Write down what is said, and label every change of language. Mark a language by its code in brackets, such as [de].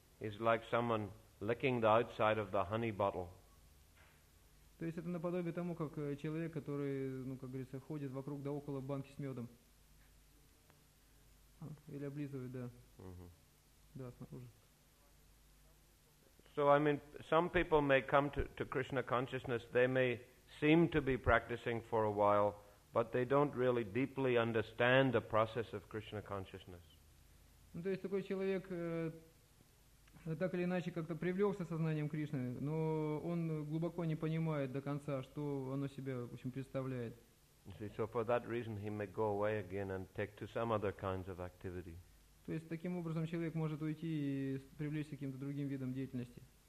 [en] It's like someone licking the outside of the honey bottle. [ru] То есть это наподобие тому, как человек, который, ну, как говорится, ходит вокруг да около банки с медом. Или облизывает, да. Да, снаружи. [en] So, I mean, some people may come to Krishna consciousness, they may seem to be practicing for a while, but they don't really deeply understand the process of Krishna consciousness. [ru] Ну, то есть такой человек так или иначе как-то привлекся сознанием Кришны, но он глубоко не понимает до конца, что оно себя, в общем, представляет. [en] See, so for that reason he may go away again and take to some other kinds of activity. [ru] То есть таким образом человек может уйти и привлечься к каким-то другим видам деятельности.